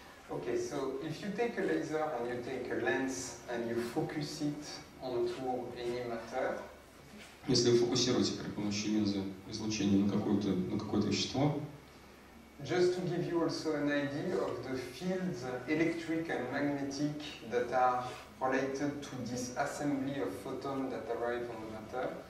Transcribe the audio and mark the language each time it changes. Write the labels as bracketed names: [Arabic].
[English] Okay, so if you take a laser and you take a lens and you focus it onto any matter. [Russian] Если вы фокусируете при помощи линзы излучение на какое-то вещество. [English] Just to give you also an idea of the fields, electric and magnetic, that are related to this assembly of photons that arrive on the matter.